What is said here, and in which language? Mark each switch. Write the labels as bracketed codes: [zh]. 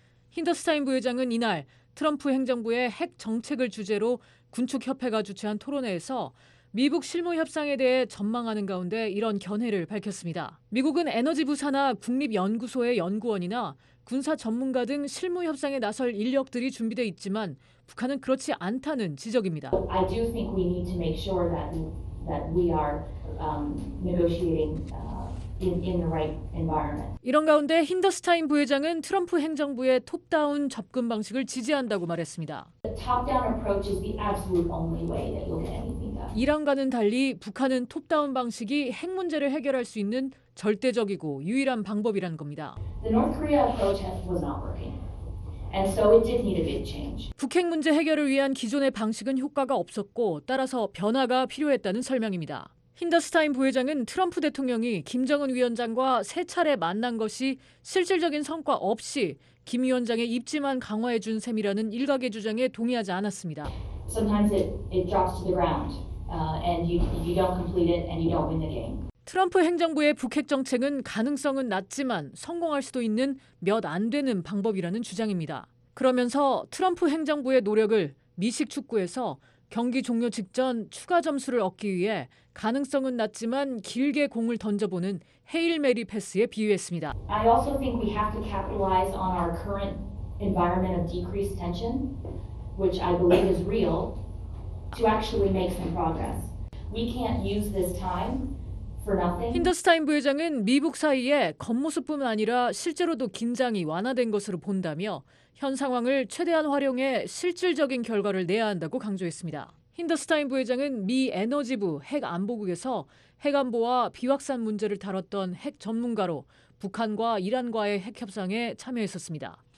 [ko] 힌더스타인 부회장은 이날 트럼프 행정부의 핵 정책을 주제로 군축협회가 주최한 토론회에서 미북 실무협상에 대해 전망하는 가운데 이런 견해를 밝혔습니다. 미국은 에너지부사나 국립연구소의 연구원이나 군사 전문가 등 실무협상에 나설 인력들이 준비돼 있지만 북한은 그렇지 않다는 지적입니다. [en] I do think we need to make sure that we are negotiating in the right environment. [ko] 이런 가운데 힌더스타인 부회장은 트럼프 행정부의 톱다운 접근 방식을 지지한다고 말했습니다. [en] The top-down approach is the absolute only way that you'll get anything done. [ko] 이란과는 달리 북한은 톱다운 방식이 핵 문제를 해결할 수 있는 절대적이고 유일한 방법이란 겁니다. [en] The North Korea approach was not working. And so it did need a big change. [ko] 북핵 문제 해결을 위한 기존의 방식은 효과가 없었고 따라서 변화가 필요했다는 설명입니다. 힌더스타인 부회장은 트럼프 대통령이 김정은 위원장과 세 차례 만난 것이 실질적인 성과 없이 김 위원장의 입지만 강화해 준 셈이라는 일각의 주장에 동의하지 않았습니다. [en] Sometimes it drops to the ground and you don't complete it and you don't win the game. [ko] 트럼프 행정부의 북핵 정책은 가능성은 낮지만 성공할 수도 있는 몇 안 되는 방법이라는 주장입니다. 그러면서 트럼프 행정부의 노력을 미식 축구에서 경기 종료 직전 추가 점수를 얻기 위해 가능성은 낮지만 길게 공을 던져보는 헤일메리 패스에 비유했습니다. [en] I also think we have to capitalize on our current environment of decreased tension, which I believe is real, to actually make some progress. We can't use this time for nothing. [ko] 힌더스타인 부회장은 미북 사이에 겉모습뿐 아니라 실제로도 긴장이 완화된 것으로 본다며 현 상황을 최대한 활용해 실질적인 결과를 내야 한다고 강조했습니다. 힌더스타인 부회장은 미 에너지부 핵안보국에서 핵안보와 비확산 문제를 다뤘던 핵 전문가로 북한과 이란과의 핵협상에 참여했었습니다.